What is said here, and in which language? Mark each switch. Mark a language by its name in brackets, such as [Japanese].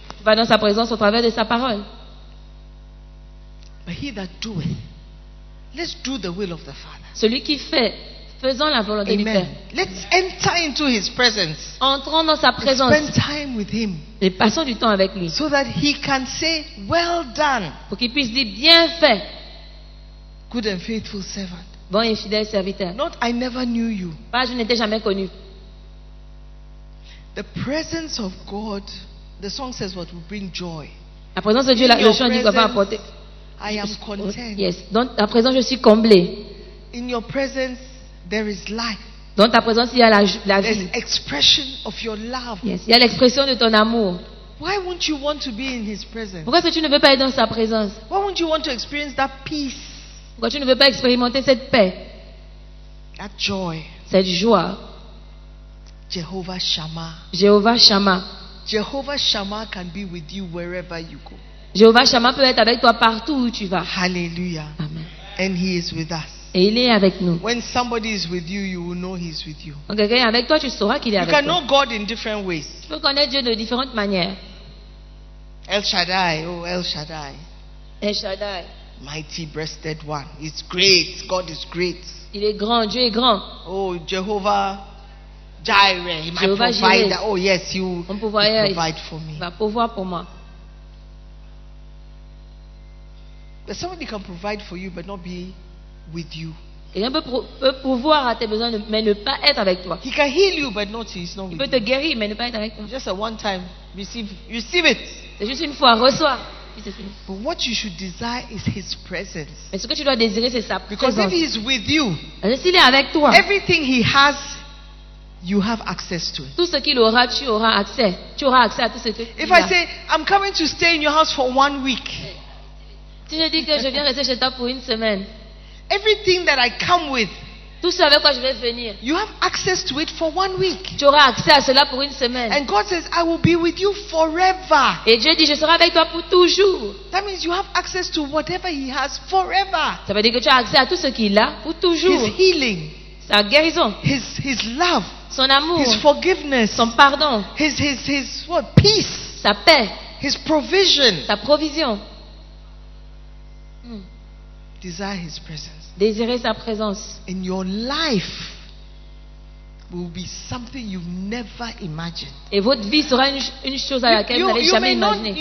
[French] Tu vas dans sa présence au travers de sa parole. [English] But he that doeth, let's do the will of the Father. [French] Celui qui fait, faisons la volonté [English] Amen. [French] Du Père. [English] Let's enter into his presence. [French] Entrons dans sa présence. [English] Spend time with him. [French] Et passons du temps avec lui. [English] So that he can say, well done. [French] Pour qu'il puisse dire bien fait. [English] Good and faithful servant. [French] Bon et fidèle serviteur. [English] Not I never knew you. [French] Pas je n'étais jamais connu. [English] The presence of God, the song says what will bring joy. [French] La présence de Dieu, le chant dit quoi va apporter. [English] I am content. [French] Yes. Dans ta présence, je suis comblé. [English] In your presence, there is life. [French] Dans ta présence, il y a la vie. [English] There's expression of your love. [French] Yes. Il y a l'expression de ton amour. [English] Why won't you want to be in his presence? [French] Pourquoi est-ce que tu ne veux pas être dans sa présence? [English] Why won't you want to experience that peace? [French] Pourquoi tu ne veux pas expérimenter cette paix? [English] That joy. [French] Cette joie. [English] Jehovah Shammah. [French] Jehovah Shammah. [English] Jehovah Shammah can be with you wherever you go. [French] Jehovah Shammah peut être avec toi partout où tu vas. [English] Hallelujah. Amen. And he is with us. [French] Et il est avec nous. [English] When somebody is with you, you will know he is with you. [French] Donc, quand il est avec toi, tu sauras qu'il est avec toi. [English] You can know God in different ways. [French] Tu peux connaître Dieu de différentes manières. [English] El Shaddai, oh El Shaddai. El Shaddai. Mighty breasted one. It's great. God is great. [French] Il est grand. Dieu est grand. [English] Oh, Jehovah Jireh. My Jehovah provider. Jireh. Oh, yes, you provide for me. [French] Il va pouvoir pour moi. [English] But somebody can provide for you, but not be with you. [French] Quelqu'un peut pouvoir à tes besoins, mais ne pas être avec toi. [English] He can heal you, but not, he's not with [French] you. Il peut te guérir, mais ne pas être avec toi. [English] Just a one time. Receive it. [French] C'est juste une fois. Reçois. [English] But what you should desire is his presence. [French] Mais ce que tu dois désirer, c'est sa présence. [English] Because if he is with you, [French] s'il est avec toi, [English] everything he has, you have access to it. [French] Tout ce qu'il aura, tu auras accès. Tu auras accès à tout ce que tu as. [English] If I say I'm coming to stay in your house for 1 week, [French] si je dis que je viens rester chez toi pour une semaine, [English] everything that I come with, [French] tout ce avec quoi je vais venir, [English] you have access to it for 1 week. [French] Tu auras accès à cela pour une semaine. [English] And God says, I will be with you forever. [French] Et Dieu dit, je serai avec toi pour toujours. [English] That means you have access to whatever he has forever. [French] Ça veut dire que tu as accès à tout ce qu'il a pour toujours. [English] His healing. [French] Sa guérison. [English] His love. [French] Son amour. [English] His forgiveness. [French] Son pardon. [English] His what? Peace. [French] Sa paix. [English] His provision. [French] Sa provision. [English] Desire his presence. [French] Désirer sa présence. [English] In your life will be something you've never imagined. [French] Et votre vie sera une chose à laquelle vous n'avez jamais imaginé.